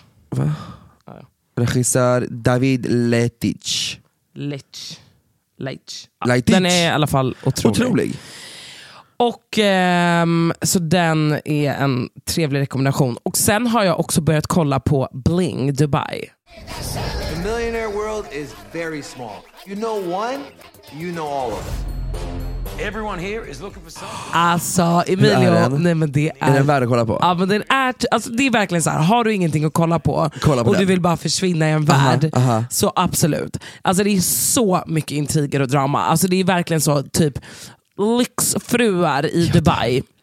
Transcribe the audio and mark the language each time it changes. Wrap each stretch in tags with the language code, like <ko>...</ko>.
<sv>Va? Ja. Regissör David Lettich. Lettich. Den är i alla fall otrolig. Otrolig. Och så den är en trevlig rekommendation. Och sen har jag också börjat kolla på Bling Dubai.</sv> <en>The millionaire world is very small. You know one, you know all of them. Everyone here is looking for something.</en> <sv>Alltså Emilio, nej men det är den värd att kolla på. Ja, men den är alltså det är verkligen så här, har du ingenting att kolla på och den. Du vill bara försvinna i en värld. Aha. Så absolut. Alltså det är så mycket intriger och drama. Alltså det är verkligen så typ lyxfruar i Dubai.</sv>